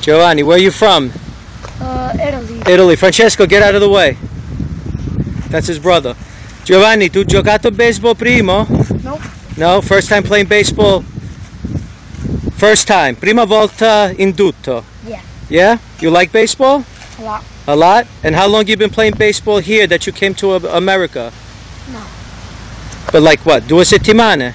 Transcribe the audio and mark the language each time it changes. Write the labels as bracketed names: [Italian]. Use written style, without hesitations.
[English] Giovanni, where are you from? Italy. Italy. Francesco, get out of the way. That's his brother. [Italian] Giovanni, tu giocato baseball primo? [English] Nope. No? First time playing baseball? First time. [Italian] Prima volta in tutto. [English] Yeah. Yeah? You like baseball? A lot. A lot? And how long you been playing baseball here that you came to America? No. But like what? [Italian] Due settimane?